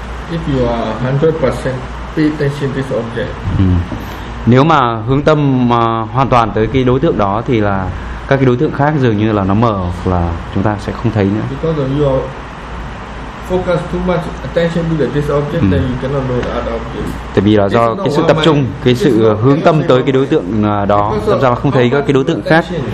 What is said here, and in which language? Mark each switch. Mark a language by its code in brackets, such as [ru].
[en] If you are 100% pay attention to this object. [vi] Nếu mà hướng tâm hoàn toàn tới cái đối tượng đó thì là các cái đối tượng khác dường như là nó mờ hoặc là chúng ta sẽ không thấy nữa. [en] Because you focus too much attention to this object, then you cannot know the other object. [vi] Tại vì là do cái sự tập trung, cái sự hướng tâm tới cái đối tượng đó, làm sao mà không thấy các cái đối tượng khác.